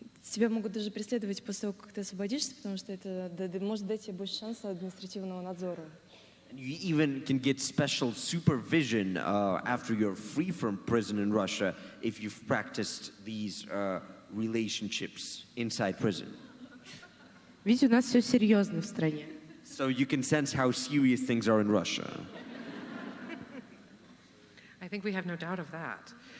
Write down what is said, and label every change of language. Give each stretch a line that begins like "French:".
Russian: Тебя могут даже преследовать после того, как ты освободишься, потому что это может дать тебе больше шансов административного надзора.
English: You even can get special supervision after you're free from prison in Russia if you've practiced these relationships inside prison.
Russian: Ведь у нас все серьезно в стране.
English: So you can sense how serious things are in Russia. I think we have no doubt of that.